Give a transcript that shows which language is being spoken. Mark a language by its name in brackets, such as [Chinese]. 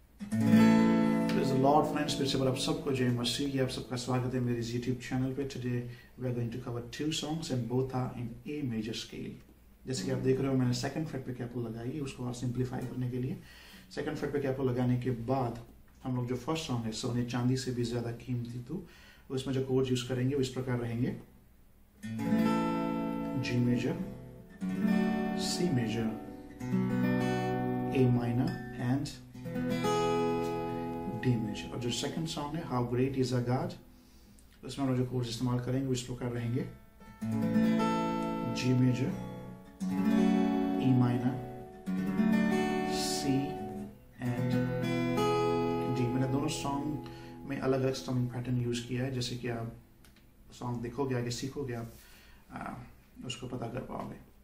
[Hindi] the Lord, friends, फिर से बार आप सबको जय मसीह की आप सबका स्वागत है मेरे YouTube चैनल पे. [English] Today we are going to cover two songs and both are in A major scale. [Hindi] जैसे कि आप देख रहे हो मैंने second fret पे capo लगाई है उसको और simplify करने के लिए. Second fret पे capo लगाने के बाद हम लोग जो first song है सोने चांदी से भी ज्यादा कीमती तू उसमें जो chords use करेंगे वो इस प्रकार रहेंगे. [English] G major, C major, A minor and D major. [Hindi] और जो second song है How Great Is Our God उसमें हम जो chords इस्तेमाल करेंगे वो इस प्रकार रहेंगे. [English] G major, E minor, C and D. [Hindi] मैंने दोनों song में अलग अलग strumming pattern use किया है जैसे कि आप song देखोगे आगे सीखोगे आप उसको पता कर पाओगे.